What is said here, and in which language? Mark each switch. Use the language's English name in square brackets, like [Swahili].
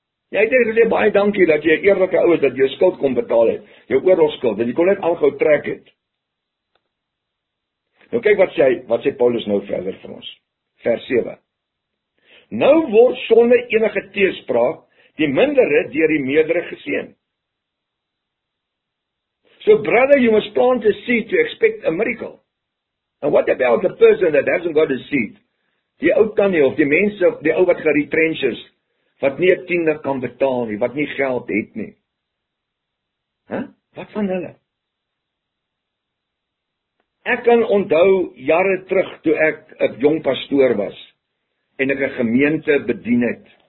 [Afrikaans] Jy het gesê, baie dankie dat jy 'n eerlike ou is, dat jy jou skuld kon betaal het, jou oorlogskuld, dat jy kon net aanhou trek het. Nou kyk wat sê Paulus nou verder vir ons. vers 7. Nou word sonder enige teespraak die mindere deur die meerdere geseën. [English] So brother, you must plant a seed to expect a miracle. And what about the person that hasn't got a seed? [Afrikaans] Die ou tannie of die mense, die ou wat geretrench is, wat nie 'n tiende kan betaal nie, wat nie geld het nie. Wat van hulle? Ek kan onthou jare terug toe ek 'n jong pastoor was en ek 'n gemeente bedien het.